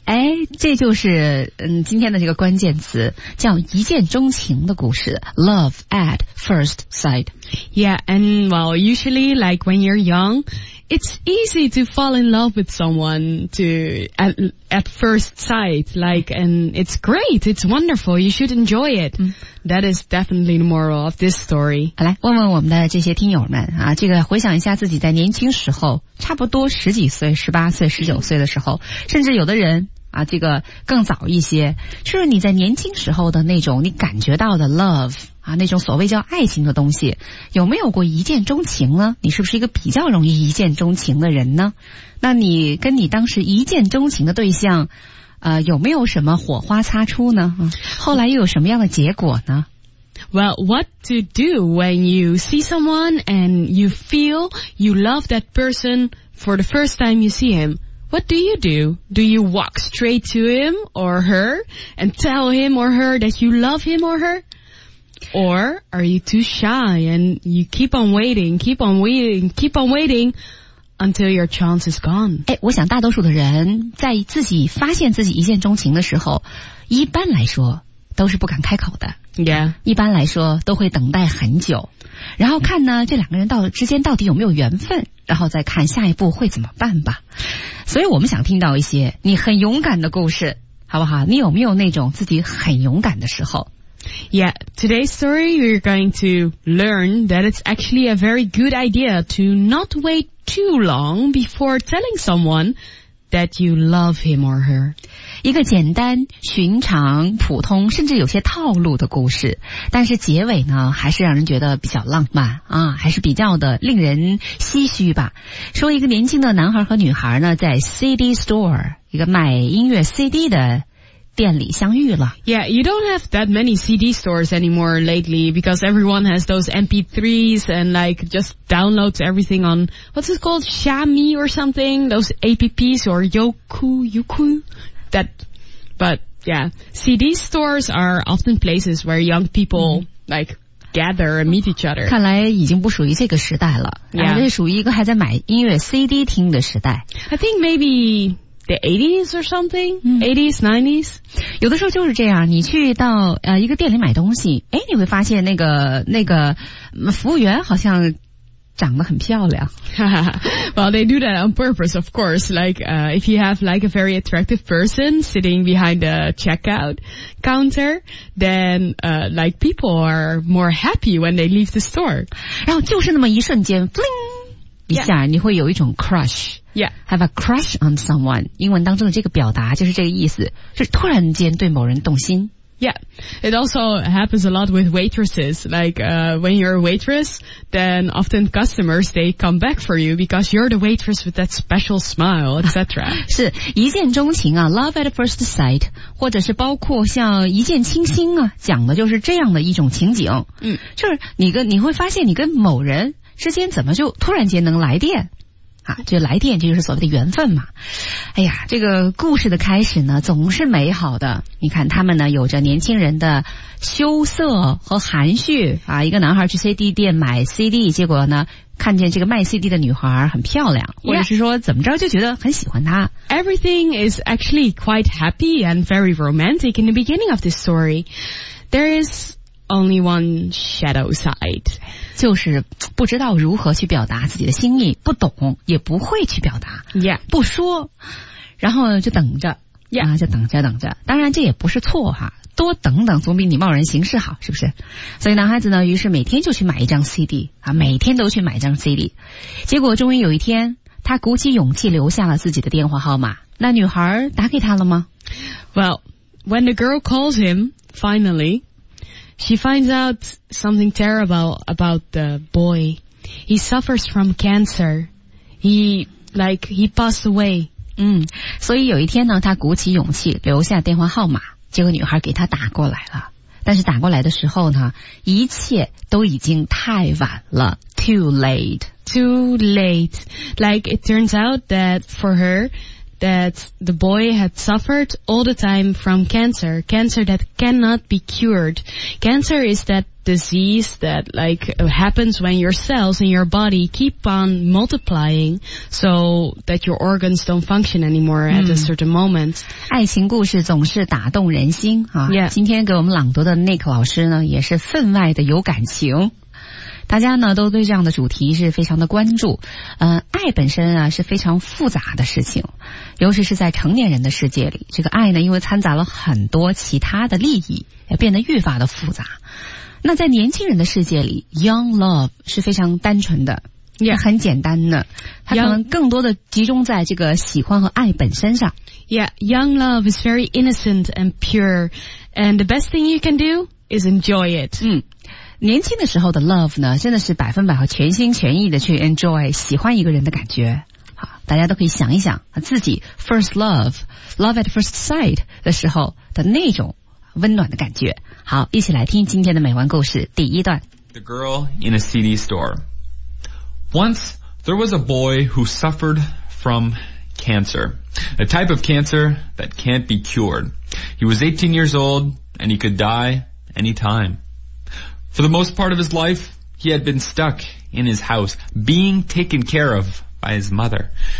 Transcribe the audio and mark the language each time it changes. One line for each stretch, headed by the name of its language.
Chinese: 哎，这就是今天的这个关键词，叫一见钟情的故事 ，
English: love at first sight. Yeah, and well, usually like when you're young, it's easy to fall in love with someone at first sight. Like, and it's great, it's wonderful. You should enjoy it. That is definitely the moral of this story.
Chinese: 好，来问问我们的这些听友们啊，这个回想一下自己在年轻时候。差不多十几岁，十八岁、十九岁的时候，甚至有的人啊，这个更早一些，就是你在年轻时候的那种你感觉到的 love 啊，那种所谓叫爱情的东西，有没有过一见钟情呢？你是不是一个比较容易一见钟情的人呢？那你跟你当时一见钟情的对象，有没有什么火花擦出呢？后来又有什么样的结果呢？
English: Well, what to do when you see someone and you feel you love that person for the first time you see him? What do you do? Do you walk straight to him or her and tell him or her that you love him or her? Or are you too shy and you keep on waiting, keep on waiting, keep on waiting until your chance is gone?
Chinese: 哎，我想大多数的人在自己发现自己一见钟情的时候，一般来说都是不敢开口的。
English: Yeah.
Chinese: 一般来说都会等待很久，然后看呢这两个人之间到底有没有缘分，然后再看下一步会怎么办吧。所以我们想听到一些你很勇敢的故事，好不好？你有没有那种自己很勇敢的时候？
English: Yeah, today's story we're going to learn that it's actually a very good idea to not wait too long before telling someone that you love him or her.
Chinese: 一个简单、寻常、普通，甚至有些套路的故事，但是结尾呢，还是让人觉得比较浪漫啊，还是比较的令人唏嘘吧。说一个年轻的男孩和女孩呢，在 CD store 一个卖音乐 CD 的店里相遇了。
English: Yeah, you don't have that many CD stores anymore lately because everyone has those MP3s and like just downloads everything on what's it called, Xiaomi or something, those apps or Youku. That, but yeah, CD stores are often places where young people like gather and meet each other.
Chinese: 看来已经不属于这个时代了，
English: yeah.
Chinese: 这属于一个还在买音乐 CD 听的时代。
English: I think maybe the 80s or something, 80s, 90s.
Chinese: 有的时候就是这样，你去到一个店里买东西，哎，你会发现那个服务员好像。长得很漂亮。
English: Well, they do that on purpose, of course. Like, if you have like a very attractive person sitting behind the checkout counter, then, like people are more happy when they leave the store.
Chinese: 然后就是那么一瞬间 ,bling! 一下、
English: yeah.
Chinese: 你会有一种 crush.
English: Yeah. Have a crush on someone.
Chinese: 英文当中的这个表达就是这个意思。就是突然间对某人动心。
English: Yeah, it also happens a lot with waitresses. Like, when you're a waitress, then often customers, they come back for you because you're the waitress with that special smile, etc.
Chinese: 是一见钟情啊 ,
English: love at first sight,
Chinese: 或者是包括像一见倾心啊讲的就是这样的一种情景。嗯，就是你会发现你跟某人之间怎么就突然间能来电。啊，这来电就是所谓的缘分嘛。哎呀，这个故事的开始呢总是美好的，你看他们呢有着年轻人的羞涩和含蓄啊，一个男孩去 CD 店买 CD， 结果呢看见这个卖 CD 的女孩很漂亮，或者是说怎么着就觉得很喜欢她。
English: Everything is actually quite happy and very romantic in the beginning of this story. There is only one shadow side.
Chinese: 就是不知道如何去表达自己的心意，不懂，也不会去表达。
English: Yeah.
Chinese: 不说，然后就等着。
English: Yeah.
Chinese: 啊，就等着等着。当然这也不是错哈。多等等总比你贸然行事好，是不是？所以男孩子呢，于是每天就去买一张 CD 啊，每天都去买一张 CD。结果终于有一天，他鼓起勇气留下了自己的电话号码。那女孩打给他了吗
English: ？Well, when the girl calls him, finally, she finds out something terrible about the boy. He suffers from cancer. He passed away.
Chinese: 嗯，所以有一天呢，他鼓起勇气留下电话号码。结果女孩给他打过来了，但是打过来的时候呢，一切都已经太晚了。
English: Too late. Too late. Like it turns out that for her, that the boy had suffered all the time from cancer. Cancer that cannot be cured. Cancer is that disease that like happens when your cells in your body keep on multiplying so that your organs don't function anymore at a certain moment.
Chinese: 爱情故事总是打动人心啊！
English: Yeah.
Chinese: 今天给我们朗读的 Nick 老师呢也是分外的有感情，大家呢都对这样的主题是非常的关注。爱本身啊是非常复杂的事情，尤其是在成年人的世界里，这个爱呢因为掺杂了很多其他的利益，也变得愈发的复杂。那在年轻人的世界里 ，
English: young love
Chinese: 是非常单纯的，
English: yeah.
Chinese: 很简单的，它可能更多的集中在这个喜欢和爱本身上。
English: Yeah, young love is very innocent and pure, and the best thing you can do is enjoy it.
Chinese: 嗯，年轻的时候的 love 呢，真的是百分百和全心全意的去 enjoy 喜欢一个人的感觉。好，大家都可以想一想自己
English: first love, love at first sight
Chinese: 的时候的那种温暖的感觉。好，一起来听今天的美文故事第一段。
English: The girl in a CD store. Once there was a boy who suffered from cancer, a type of cancer that can't be cured. He was 18 years old and he could die anytime. For the most part of his life, he had been stuck in his house, being taken care of by his mother.